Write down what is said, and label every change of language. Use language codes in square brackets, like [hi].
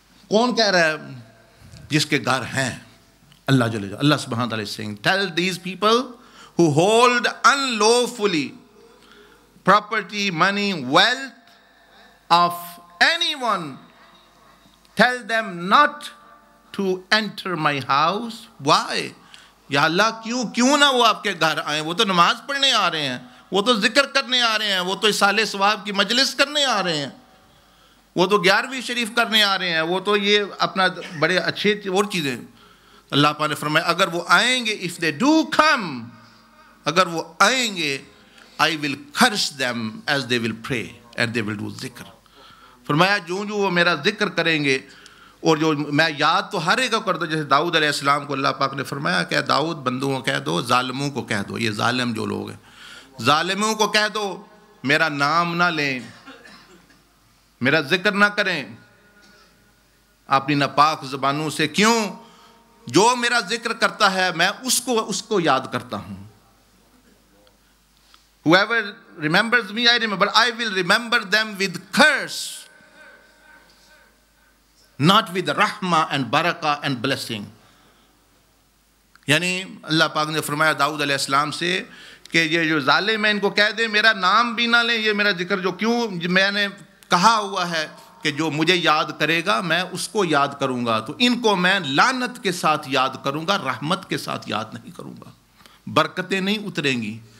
[ur] کون کہہ رہا ہے؟ جس کے گھر ہیں. اللہ جل جلالہ، اللہ سبحانہ وتعالیٰ سینگ [en] Tell these people who hold unlawfully property, money, wealth of anyone, tell them not to enter my house. [ur] وائے یا اللہ، کیوں کیوں نہ وہ آپ کے گھر آئیں؟ وہ تو نماز پڑھنے آ رہے ہیں، وہ تو ذکر کرنے آ رہے ہیں، وہ تو اصال ثواب کی مجلس کرنے آ رہے ہیں، وہ تو گیارہویں شریف کرنے آ رہے ہیں، وہ تو یہ اپنا بڑے اچھے اور چیزیں. اللہ پاک نے فرمایا اگر وہ آئیں گے, [en] if they do come, [ur] اگر وہ آئیں گے, [en] I will crush them as they will pray and they will do ذکر. [ur] فرمایا جو جو وہ میرا ذکر کریں گے اور جو میں یاد تو ہر ایک کو کر دوں, جیسے داؤد علیہ السلام کو اللہ پاک نے فرمایا کہ داؤد بندوں کو کہہ دو, ظالموں کو کہہ دو, یہ ظالم جو لوگ ہیں, ظالموں کو کہہ دو میرا نام نہ لیں, میرا ذکر نہ کریں اپنی ناپاک زبانوں سے, کیوں جو میرا ذکر کرتا ہے میں اس کو یاد کرتا ہوں. [en] Whoever remembers me, I remember, but I will remember them with curse, not with rahma and baraka and blessing. [ur] یعنی اللہ پاک نے فرمایا داؤد علیہ السلام سے کہ یہ جو ظالم ہے ان کو کہہ دیں میرا نام بھی نہ لیں, یہ میرا ذکر جو کیوں میں نے کہا ہوا ہے کہ جو مجھے یاد کرے گا میں اس کو یاد کروں گا, تو ان کو میں لعنت کے ساتھ یاد کروں گا, رحمت کے ساتھ یاد نہیں کروں گا, برکتیں نہیں اتریں گی.